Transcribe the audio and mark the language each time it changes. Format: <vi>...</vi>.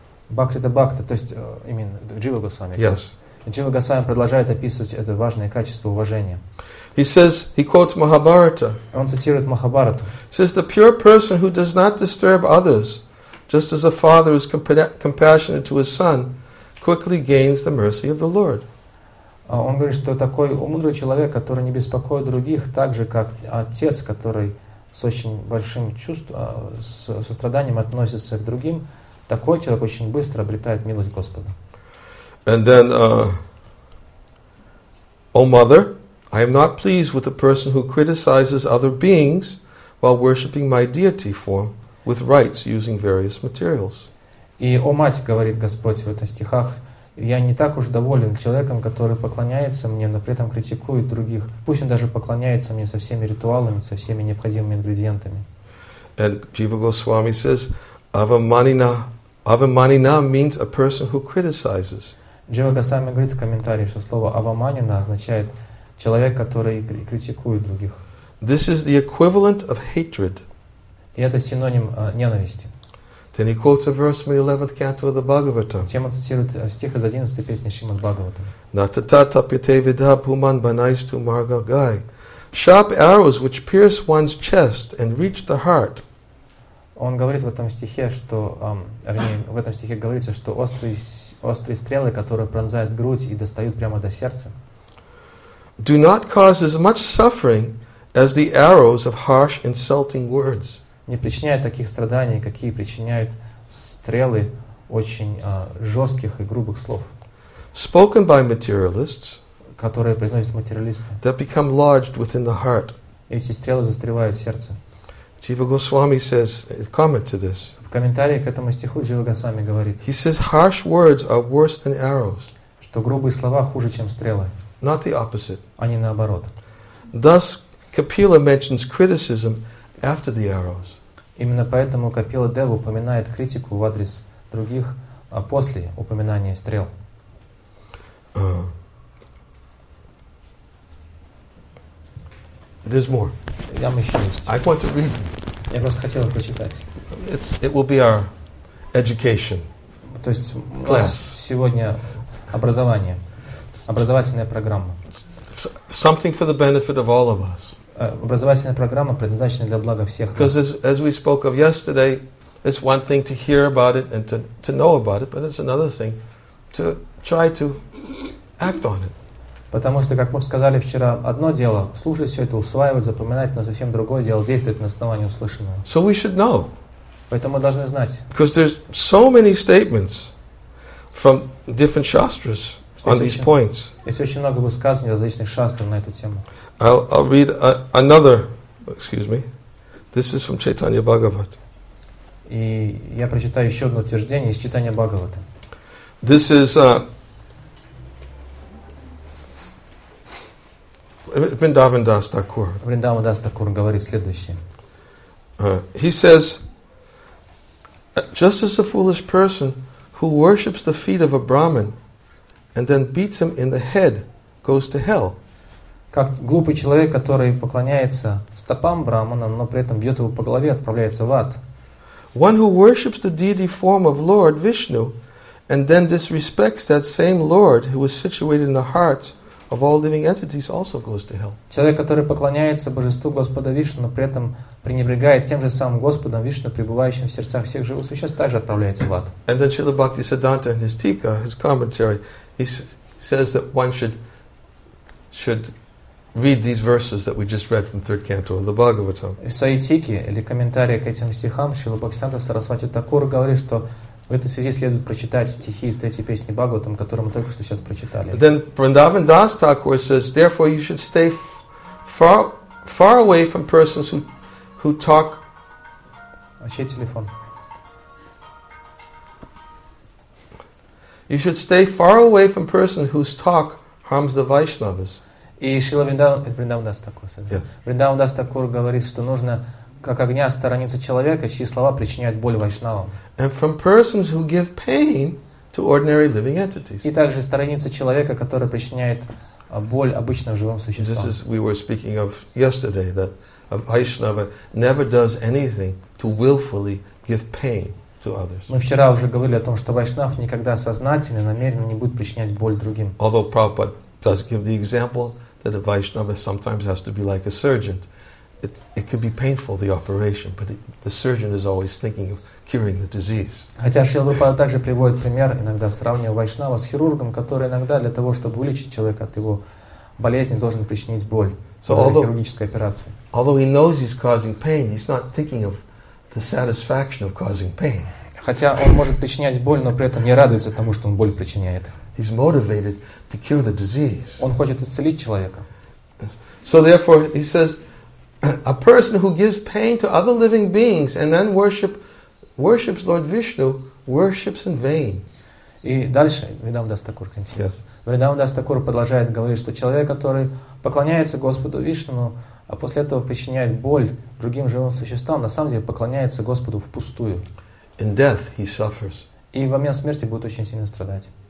<ru>Бхакрита Бхакта, то есть именно Джива Госвами.</ru> <en>Yes.</en> <ru>Джива Госвами продолжает описывать это важное качество уважения.</ru> <en>He says, he quotes Mahabharata.</en> <ru>Он цитирует Махабхарату.</ru> <en>Says the pure person who does not disturb others, just as a father is compassionate to his son, quickly gains the mercy of the Lord.</en> <ru>Он говорит, что такой мудрый человек, который не беспокоит других, так же как отец, который с очень большим чувством, с состраданием относится к другим, такой человек очень быстро обретает милость Господа.</ru> <en>And then, O mother. I am not pleased with a person who criticizes other beings while worshipping my deity form with rites using various materials.</en> <ru>И о мать, говорит Господь в этих стихах, я не так уж доволен человеком, который поклоняется мне, но при этом критикует других. Пусть он даже поклоняется мне со всеми ритуалами, со всеми необходимыми ингредиентами.</ru> <en>And Jiva Goswami says, avamanina means a person who criticizes.</en> <ru>Jiva Goswami говорит в комментарии, что слово avamanina означает человек, который критикует других.</ru> <en>This is the equivalent of hatred.</en> <ru>И это синоним ненависти.</ru> <en>Then he quotes a verse from the 11th canto of the Bhagavatam.</en> <ru>Затем он цитирует стих из 11 песни Шримад Бхагаватам.</ru> <sa>Натата тапьяте видха пхуман банайсту марга гай.</sa> <en>Sharp arrows which pierce one's chest and reach the heart.</en> <ru>Он говорит в этом стихе, что в этом стихе говорится, что острые стрелы, которые пронзают грудь и достают прямо до сердца.</ru> <en>Do not cause as much suffering as the arrows of harsh, insulting words.</en> <ru>Не причиняет таких страданий, какие причиняют стрелы очень жестких и грубых слов.</ru> <en>Spoken by materialists,</en> <ru>которые произносят материалисты,</ru> <en>that become lodged within the heart.</en> <ru>Эти стрелы застревают в сердце.</ru> <en>Jiva Goswami says, comment to this.</en> <ru>В комментарии к этому стиху Джива Госвами говорит.</ru> <en>He says, harsh words are worse than arrows.</en> <ru>Что грубые слова хуже, чем стрелы.</ru> <en>Not the opposite.</en> <ru>А не наоборот.</ru> <en>Thus, Kapila mentions criticism after the arrows.</en> <ru>Именно поэтому Капила Дева упоминает критику в адрес других, а после упоминания стрел.</ru> <en>There's more.</en> <ru>Там еще есть.</ru> <en>I want to read.</en> <ru>Я просто хотел прочитать.</ru> <en>It will be our education.</en> <ru>То есть class. Сегодня образование. Образовательная программа.</ru> <en>Something for the benefit of all of us.</en> <ru>Образовательная программа предназначена для блага всех нас.</ru> <en>Because as we spoke of yesterday, it's one thing to hear about it and to know about it, but it's another thing to try to act on it.</en> <ru>Потому что, как мы сказали вчера, одно дело слушать все это, усваивать, запоминать, но совсем другое дело действовать на основании услышанного.</ru> <en>So we should know.</en> <ru>Поэтому мы должны знать.</ru> <en>Because there's so many statements from different shastras. On these points.</en> <ru>Есть очень много высказаний различных шастр на эту тему.</ru> <en>I'll read another. Excuse me. This is from Chaitanya Bhagavat.</en> <ru>И я прочитаю еще одно утверждение из Читания Бхагавата.</ru> <en>This is Vrindavan Das Thakur.</en> <ru>Vrindavan Das Thakur говорит следующее.</ru> <en>He says, just as a foolish person who worships the feet of a Brahmin and then beats him in the head, goes to hell.</en> <ru>Как глупый человек, который поклоняется стопам брахмана, но при этом бьет его по голове, отправляется в ад.</ru> <en>One who worships the deity form of Lord Vishnu, and then disrespects that same Lord who is situated in the hearts of all living entities, also goes to hell.</en> <ru>Человек, который поклоняется божеству Господа Вишну, но при этом пренебрегает тем же самым Господом Вишну, пребывающим в сердцах всех живых существ, также отправляется в ад.</ru> <en>And then Srila Bhaktisiddhanta in his Tika, his commentary, he says that one should read these verses that we just read from third canto of the Bhagavatam.</en> <ru>В Саитике или комментарии к этим стихам Шрила Бхактисиддханта Сарасвати Такура говорит, что в этой связи следует прочитать стихи из третьей песни Бхагаватам, которую мы только что сейчас прочитали.</ru> <en>Then Vrindavan Das Thakur says, therefore you should stay far away from persons who talk.</en> <ru>А чей телефон?</ru> <en>You should stay far away from persons whose talk harms the Vaishnavas.</en> <ru>И Шрила Вриндаван Дас Такур</ru> <en>says.</en> <ru>Вриндаван Дас Такур говорит, что нужно как огня сторониться человека, чьи слова причиняют боль вайшнавам.</ru> <en>And from persons who give pain to ordinary living entities.</en> <ru>И также сторониться человека, который причиняет боль обычным живым существам.</ru> <en>This is we were speaking of yesterday that a Vaishnava never does anything to willfully give pain to others.</en> <ru>Мы вчера уже говорили о том, что вайшнав никогда сознательно, намеренно не будет причинять боль другим.</ru> <en>Although Prabhupada does give the example that a Vaishnava sometimes has to be like a surgeon. It could be painful, the operation, but the surgeon is always thinking of curing the disease.</en> <ru>Хотя Шрила Прабхупада также приводит пример, иногда сравнивая вайшнава с хирургом, который иногда для того, чтобы вылечить человека от его болезни, должен причинить боль в хирургической операции.</ru> <en>Although he knows he's causing pain, he's not thinking of the satisfaction of causing pain.</en> <ru>Хотя он может причинять боль, но при этом не радуется тому, что он боль причиняет.</ru> <en>He's motivated to cure the disease.</en> <ru>Он хочет исцелить человека.</ru> <en>So therefore, he says, a person who gives pain to other living beings and then worships Lord Vishnu worships in vain.</en> <ru>И дальше Вриндаван Дас Такур</ru> <en>continues.</en> <ru>Вриндаван Дас Такур продолжает говорить, что человек, который поклоняется Господу Вишну, а после этого причиняет боль другим живым существам, на самом деле поклоняется Господу впустую.</ru> <en>In death he suffers.</en> <ru>И в момент смерти будет очень сильно страдать.</ru>